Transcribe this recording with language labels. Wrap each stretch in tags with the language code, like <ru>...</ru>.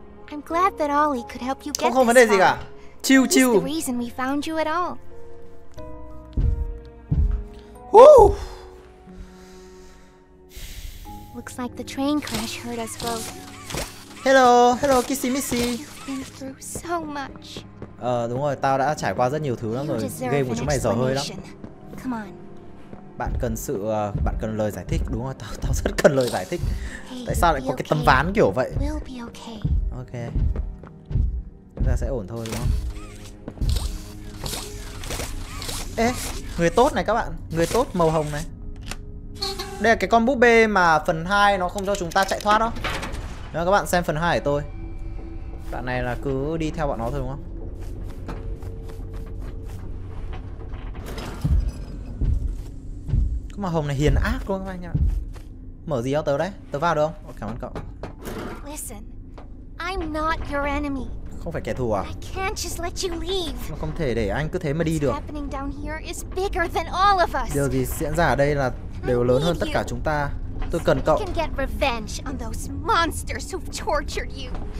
<en>I'm glad that Ollie could help you get this.</en> <vi>Không vấn đề gì cả. Chiu chiu.</vi> <en>The reason we found you at all. Woo! Looks like the train crash hurt us both. Hello, hello, kissy missy. You've been through so much.</en> <vi>Đúng rồi, tao đã trải qua rất nhiều thứ lắm rồi. Game của chúng mày dở hơi lắm.</vi> <en>Come on.</en> <vi>Bạn cần sự, bạn cần lời giải thích, đúng rồi. Tao rất cần lời giải thích. Tại sao lại có cái tấm ván kiểu vậy?</vi> <en>We'll be okay. Okay.</en> <vi>Chúng ta sẽ ổn thôi, đúng không? Ê, người tốt này các bạn. Người tốt màu hồng này. Đây là cái con búp bê mà phần 2 nó không cho chúng ta chạy thoát đó. Nếu các bạn xem phần 2 của tôi, đoạn này là cứ đi theo bọn nó thôi đúng không? Cái màu hồng này hiền ác luôn các bạn nhá. Mở gì cho tớ đấy? Tớ vào được không? Cảm ơn cậu.</vi> <en>Listen, I'm not your enemy.</en> <vi>Không phải kẻ thù à?</vi> <en>I can't just let you leave.</en> <vi>Nó không thể để anh cứ thế mà đi được.</vi> <en>Happening down here is bigger than all of us.</en> <vi>Điều gì diễn ra ở đây là đều lớn hơn tất cả chúng ta. Tôi cần cậu.</vi> <en>I can get revenge on those monsters who've tortured you.</en>